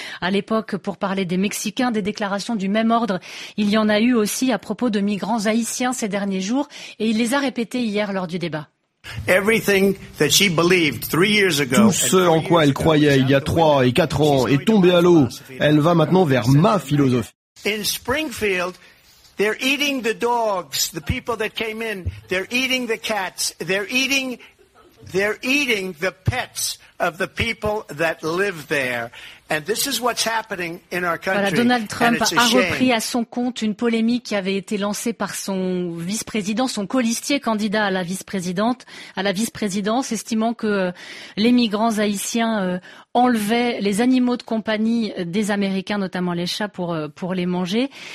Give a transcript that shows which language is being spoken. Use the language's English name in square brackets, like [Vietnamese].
[French] À l'époque, pour parler des Mexicains, des déclarations du même ordre, il y en a eu aussi à propos de migrants haïtiens ces derniers jours, et il les a répétées hier lors du débat. Tout ce en quoi elle croyait il y a 3 et 4 ans est tombé à l'eau. Elle va maintenant vers ma philosophie. [English] In Springfield, they're eating the dogs, the people that came in, they're eating the cats, they're eating the pets of the people that live there. And this is what's happening in our country. [French] Voilà, Donald Trump a repris à son compte une polémique qui avait été lancée par son vice-président, son colistier candidat à la vice-présidente, estimant que les migrants haïtiens enlevaient les animaux de compagnie des Américains, notamment les chats, pour les manger.